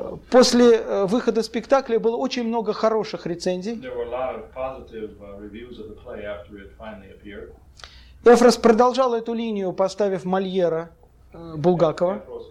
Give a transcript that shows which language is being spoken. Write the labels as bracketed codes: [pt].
[ru] После выхода спектакля было очень много хороших рецензий. [en] There were a lot of positive reviews of the play after it finally appeared. [ru] Эфрос продолжал эту линию, поставив Мольера Булгакова.